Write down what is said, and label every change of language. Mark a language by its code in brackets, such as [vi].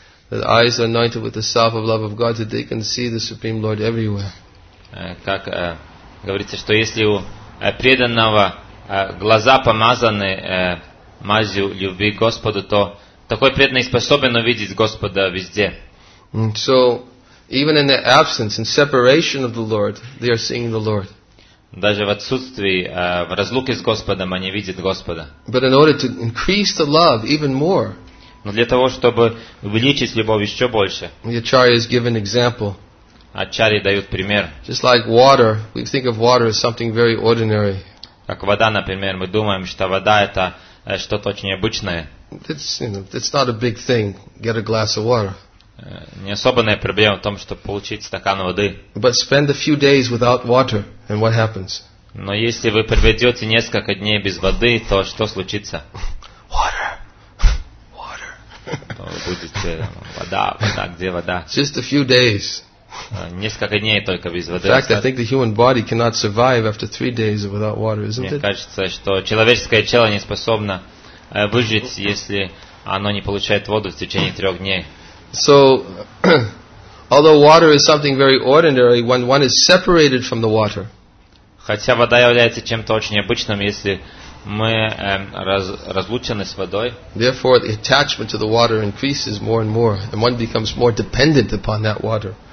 [en] The eyes are anointed with the salve of love of Godhead, they can see the Supreme Lord everywhere. [ru] Как говорится, что если у преданного глаза помазаны мазью любви к Господу, то такой преданный способен увидеть Господа везде. [en] So, even in the absence, in separation of the Lord, they are seeing the Lord. [ru] Даже в отсутствии, в разлуке с Господом, они видят Господа. [en] But in order to increase the love even more, [ru] но для того, чтобы увеличить любовь еще больше, [en] the Acharya is given example. [ru] Ачарьи дают пример. [en] Just like water, we think of water as something very ordinary. [ru] Как вода, например, мы думаем, что вода — это что-то очень обычное. [en] It's, you know, it's not a big thing. Get a glass of water. [ru] не особенная проблема в том, чтобы получить стакан воды. [en] But spend a few days without water, and what happens? [ru] Но если вы проведете несколько дней без воды, то что случится? [en] Water. Water. [ru] То вы будете, вода, вода, где вода? [en] Just a few days. [ru] Несколько дней только без воды. [en] In fact, I think the human body cannot survive after 3 days without water, isn't it? [ru] Мне кажется, что человеческое тело не способно выжить, если оно не получает воду в течение 3 дней. [en] So, although water is something very ordinary, when one is separated from the water. [ru] Хотя вода является чем-то очень необычным, если мы разлучены с водой. [en] Therefore, the attachment to the water increases more and more, and one becomes more dependent upon that water.